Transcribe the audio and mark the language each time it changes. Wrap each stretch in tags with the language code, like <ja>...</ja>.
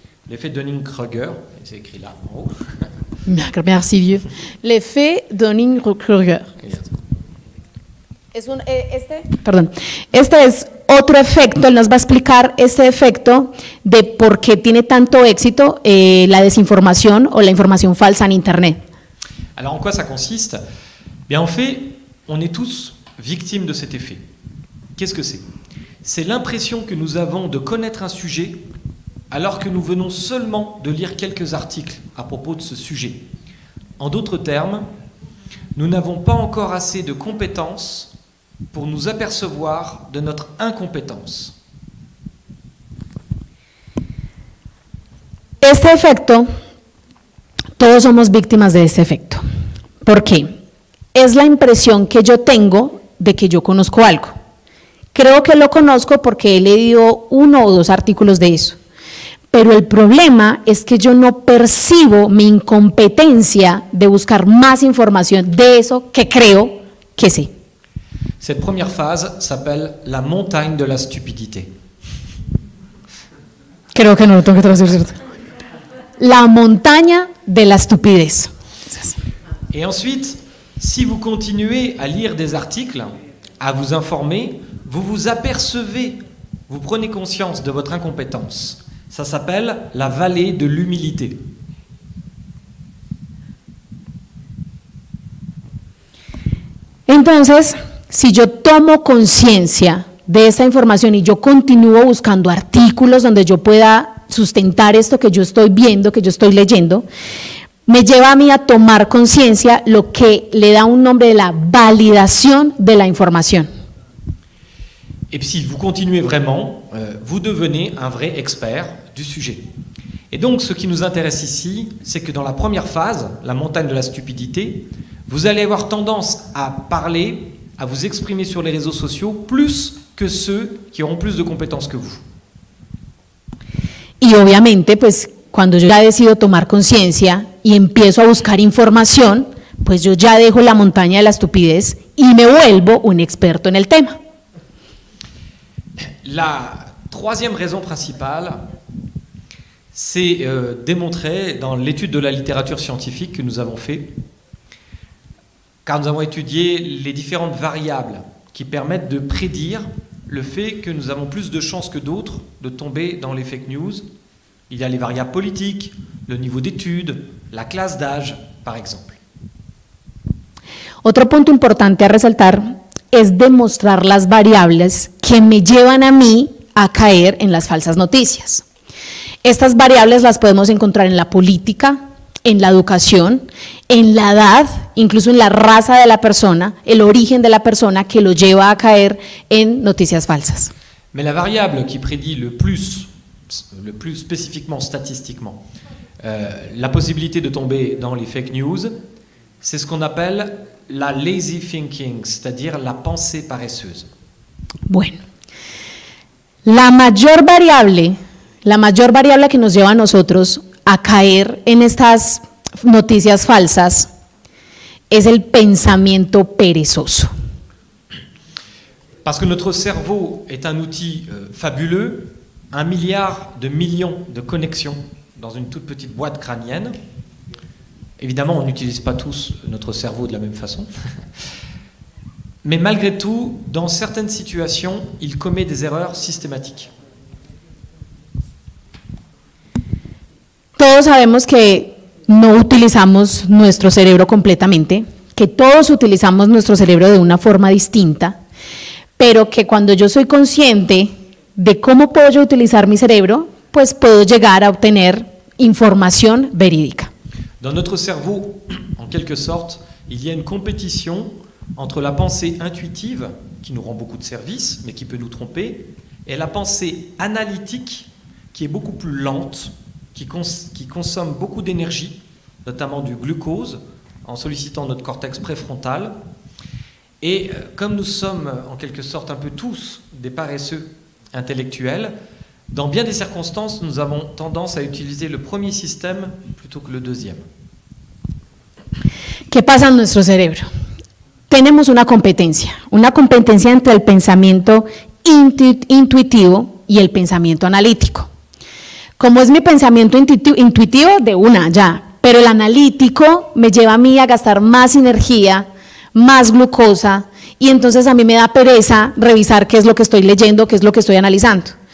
<fr>L'effet Dunning-Kruger, c'est écrit là en haut. Merci vieux. L'effet Dunning-Kruger.</fr> <es>Este es otro efecto, él nos va a explicar este efecto de por qué tiene tanto éxito la desinformación o la información falsa en Internet.</es> <fr>Alors en quoi ça consiste? Bien, en fait, on est tous victimes de cet effet. Qu'est-ce que c'est? C'est l'impression que nous avons de connaître un sujet alors que nous venons seulement de lire quelques articles à propos de ce sujet. En d'autres termes, nous n'avons pas encore assez de compétences pour nous apercevoir de notre incompétence.</fr> <es>Este efecto, todos somos víctimas de este efecto. ¿Por qué? Es la impresión que yo tengo de que yo conozco algo. Creo que lo conozco porque he leído uno o dos artículos de eso. Pero el problema es que yo no percibo mi incompetencia de buscar más información de eso que creo que sé.</es> <fr>Cette première phase s'appelle la montagne de la stupidité.</fr> <es>Creo que no lo tengo que traducir, ¿cierto? La montaña de la estupidez.</es> <fr>Et ensuite, si vous continuez à lire des articles, à vous informer, vous vous apercevez, vous prenez conscience de votre incompétence. Ça s'appelle la vallée de l'humilité.</fr> <es>Entonces, si yo tomo conciencia de esa información y yo continúo buscando artículos donde yo pueda sustentar esto que yo estoy viendo, que yo estoy leyendo, me lleva a mí a tomar conciencia lo que le da un nombre de la validación de la información.</es> <fr>Et si vous continuez vraiment, vous devenez un vrai expert du sujet. Et donc, ce qui nous intéresse ici, c'est que dans la première phase, la montagne de la stupidité, vous allez avoir tendance à parler, à vous exprimer sur les réseaux sociaux plus que ceux qui auront plus de compétences que vous.</fr> <es>Y obviamente, pues, cuando yo ya decido tomar conciencia y empiezo a buscar información, pues yo ya dejo la montaña de la estupidez y me vuelvo un experto en el tema.</es> <fr>La troisième raison principale, C'est démontré dans l'étude de la littérature scientifique que nous avons fait, car nous avons étudié les différentes variables qui permettent de prédire le fait que nous avons plus de chances que d'autres de tomber dans les fake news. Il y a les variables politiques, le niveau d'études, la classe d'âge, par exemple.</fr> <es>Otro punto importante à resaltar es demostrar las variables que me llevan a mí a caer en las falsas noticias. Estas variables las podemos encontrar en la política, en la educación, en la edad, incluso en la raza de la persona, el origen de la persona que lo lleva a caer en noticias falsas.</es> <fr>Mais la variable qui prédit le plus spécifiquement statistiquement la possibilité de tomber dans les fake news, c'est ce qu'on appelle la lazy thinking, c'est-à-dire la pensée paresseuse.</fr> <es>Bueno. La mayor variable que nos lleva a nosotros a caer en estas noticias falsas es el pensamiento perezoso.</es> <fr>Parce que notre cerveau est un outil fabuleux, un milliard de millions de connexions dans une toute petite boîte crânienne. Évidemment, on n'utilise pas tous notre cerveau de la même façon. Mais malgré tout, dans certaines situations, il commet des erreurs systématiques.</fr> <es>Todos sabemos que no utilizamos nuestro cerebro completamente, que todos utilizamos nuestro cerebro de una forma distinta, pero que cuando yo soy consciente de cómo puedo yo utilizar mi cerebro, pues puedo llegar a obtener información verídica.</es> <fr>Dans notre cerveau, en quelque sorte, il y a une compétition entre la pensée intuitive, qui nous rend beaucoup de services, mais qui peut nous tromper, et la pensée analytique, qui est beaucoup plus lente, qui consomme beaucoup d'énergie, notamment du glucose, en sollicitant notre cortex préfrontal. Et comme nous sommes, en quelque sorte, un peu tous des paresseux intellectuels, dans bien des circonstances, nous avons tendance à utiliser le premier système plutôt que le deuxième.</fr> <es>¿Qué pasa en nuestro cerebro? Tenemos una competencia entre el pensamiento intuitivo y el pensamiento analítico. Como es mi pensamiento intuitivo, de una ya, pero el analítico me lleva a mí a gastar más energía, más glucosa, y entonces a mí me da pereza revisar qué es lo que estoy leyendo, qué es lo que estoy analizando.</es>